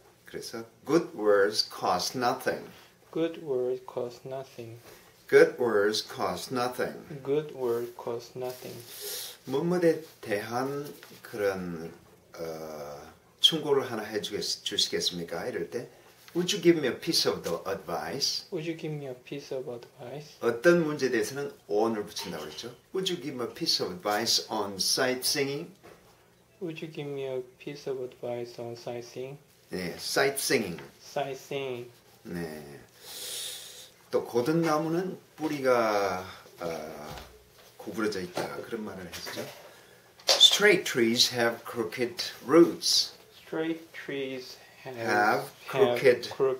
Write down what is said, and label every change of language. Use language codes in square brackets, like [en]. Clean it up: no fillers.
[ko] 그래서 [en] good words cost nothing. Good words cost nothing. Good words cost nothing. Good words cost nothing. [ko] 뭐뭐에 대한 그런 충고를 하나 해주시겠습니까? 이럴 때 [en] Would you give me a piece of the advice? Would you give me a piece of advice? [ko] 어떤 문제에 대해서는 on을 붙인다고 그랬죠? [en] Would you give me a piece of advice on sightseeing? Would you give me a piece of advice on sightseeing? [ko] 네, sightseeing. [en] Sightseeing. [ko] 네. 또 고든 나무는 뿌리가 구부러져 있다. 그런 말을 했죠. [en] Straight trees have crooked roots. Straight trees have crooked,